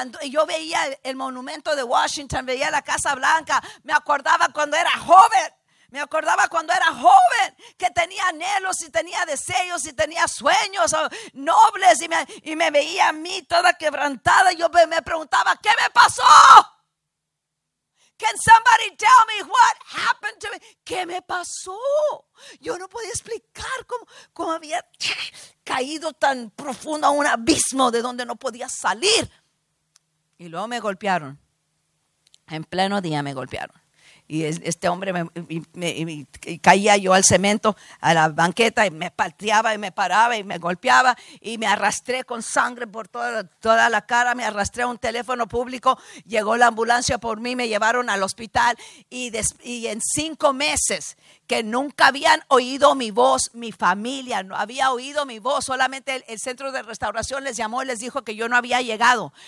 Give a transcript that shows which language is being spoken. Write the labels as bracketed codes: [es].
[es] Yo veía el monumento de Washington, veía la Casa Blanca, me acordaba cuando era joven. Me acordaba cuando era joven, que tenía anhelos y tenía deseos y tenía sueños nobles, y me veía a mí toda quebrantada. Yo me preguntaba, ¿qué me pasó? [en] Can somebody tell me what happened to me? [es] ¿Qué me pasó? Yo no podía explicar cómo había caído tan profundo a un abismo de donde no podía salir. Y luego me golpearon. En pleno día me golpearon. Y este hombre, y caía yo al cemento, a la banqueta, y me pateaba y me paraba y me golpeaba, y me arrastré con sangre por toda la cara, me arrastré a un teléfono público, llegó la ambulancia por mí, me llevaron al hospital, y en 5 meses que nunca habían oído mi voz, mi familia no había oído mi voz, solamente el centro de restauración les llamó y les dijo que yo no había llegado.